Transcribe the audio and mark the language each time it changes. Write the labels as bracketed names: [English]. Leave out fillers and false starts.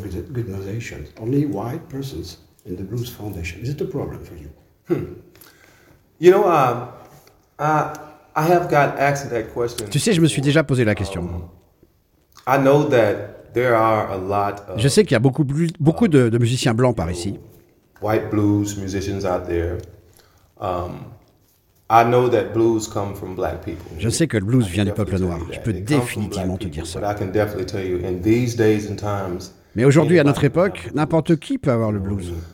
[English] In the Blues Foundation, is it a problem for you? You know, I have got asked that question. [French] Tu sais, je me suis déjà posé la question. [English] I know that there are a lot. [French] Je sais qu'il y a beaucoup de musiciens blancs par ici. [English] White blues musicians out there. I know that blues come from black people. [French] Je sais que le blues vient du peuple noir. Je peux définitivement te dire ça. [English] But I can definitely tell you in these days and times. [French] Mais aujourd'hui, à notre époque, n'importe qui peut avoir le blues.